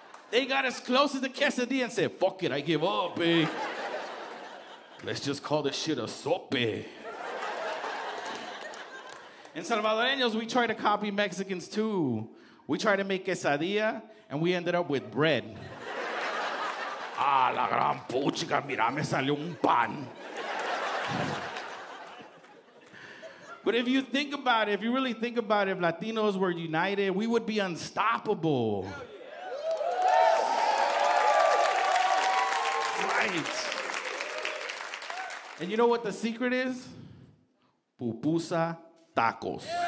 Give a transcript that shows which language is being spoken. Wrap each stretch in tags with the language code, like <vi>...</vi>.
<en>They got as close as the quesadilla and said, fuck it, I give up, eh? Let's just call this shit a sope. In Salvadoreños, we try to copy Mexicans too. We try to make quesadilla and we ended up with bread.</en> <es>Ah, la gran puchica, mira, me salió un pan.</es> <en>But if you think about it, if you really think about it, if Latinos were united, we would be unstoppable. And you know what the secret is? Pupusa tacos.</en>